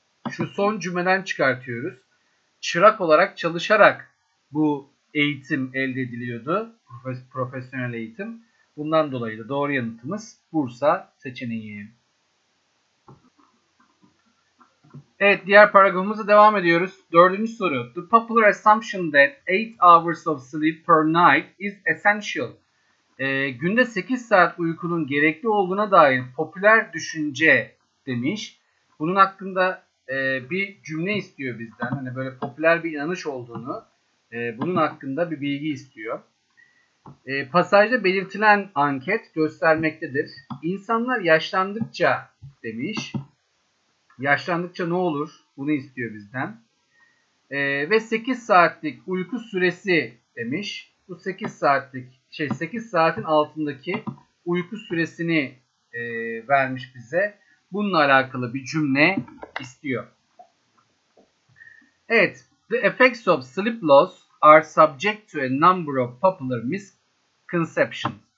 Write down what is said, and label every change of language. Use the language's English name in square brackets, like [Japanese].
[Turkish] Şu son cümleden çıkartıyoruz. Çırak olarak çalışarak bu eğitim elde ediliyordu. Profesyonel eğitim. Bundan dolayı da doğru yanıtımız Bursa seçeneği. Evet, diğer paragrafımıza devam ediyoruz. Dördüncü soru. [English] The popular assumption that 8 hours of sleep per night is essential. [Turkish] Günde 8 saat uykunun gerekli olduğuna dair popüler düşünce demiş. Bunun hakkında bir cümle istiyor bizden. Hani böyle popüler bir inanış olduğunu, bunun hakkında bir bilgi istiyor. Pasajda belirtilen anket göstermektedir. İnsanlar yaşlandıkça demiş. Yaşlandıkça ne olur? Bunu istiyor bizden. Ve 8 saatlik uyku süresi demiş. Bu 8 saatin altındaki uyku süresini vermiş bize. Bununla alakalı bir cümle istiyor. Evet. [English] The effects of sleep loss are subject to a number of popular misconceptions.